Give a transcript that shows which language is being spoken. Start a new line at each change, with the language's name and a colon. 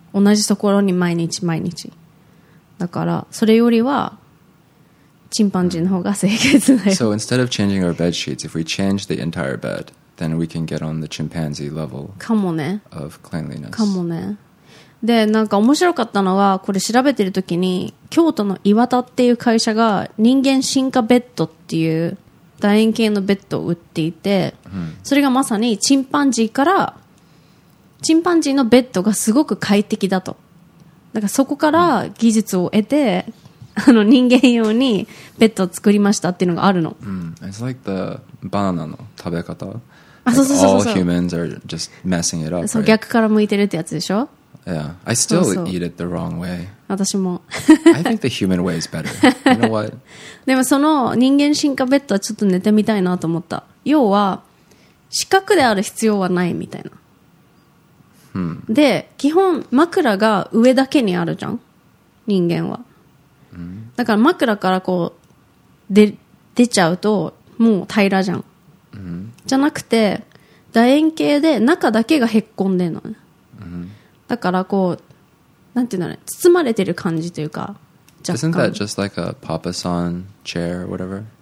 Japanese: 同じところに毎日毎日。だから、それよりは、チンパンジーの方が清潔だよ。
English: So instead of changing our bed sheets, if we change the entire bed,Then we can get on the chimpanzee level of cleanliness.
Japanese: かもね。で、なんか面白かったのは、これ調べてるときに、京都の岩田っていう会社が人間進化ベッドっていう楕円形のベッドを売っていて、それがまさにチンパンジーから、チンパンジーのベッドがすごく快適だと。だからそこから技術を得て、あの人間用にベッドを作りましたっていうのがあるの。
English: It's like the banana
Japanese: の食べ方。
English: Like、
Japanese: そうそうそうそう
English: all humans are just messing it up.
Japanese: そう、逆から向いてるってやつでしょ
English: Yeah, I still
Japanese: そうそう
English: eat it the wrong way.
Japanese: 私も。
English: I think the human way is better. You know what?
Japanese: でもその人間進化ベッドはちょっと寝てみたいなと思った。要は、四角である必要はないみたいな。で、基本枕が上だけにあるじゃん人間は。だから枕からこう、出ちゃうと、もう平らじゃん。じゃなくて楕円形で中だけがへっこんでるの、ね だからこうなんていうのね包まれてる感じというか若干
English: Isn't that just like a papasan chair or whatever?